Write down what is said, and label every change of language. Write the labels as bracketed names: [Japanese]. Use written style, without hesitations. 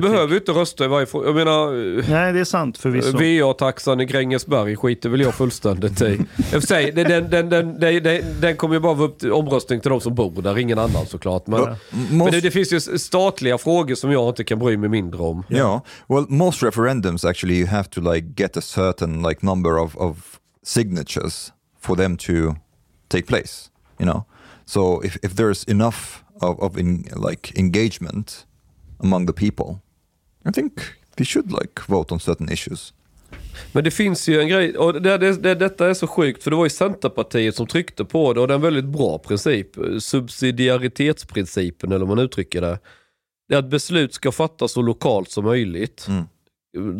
[Swedish] Men du behöver ju inte rösta i varje fråga. Jag menar, nej, det är sant förvisso. VA-taxan i Grängesberg skiter väl jag fullständigt i. den kommer ju bara vara upp till omröstning till de som bor där. Ingen annan såklart. Men det finns ju statliga frågor som jag inte kan bry mig mindre om. Ja, yeah. [English] Well, most referendums actually you have to like get a certain like number of signatures for them to take place, you know. So if there's enough of engagement among the people, I think they should like vote on certain issues. [Swedish] Men det finns ju en grej, och detta är så sjukt, för det var ju Centerpartiet som tryckte på det, och det är en väldigt bra princip, subsidiaritetsprincipen, eller om man uttrycker det. Det är att beslut ska fattas så lokalt som möjligt. Mm.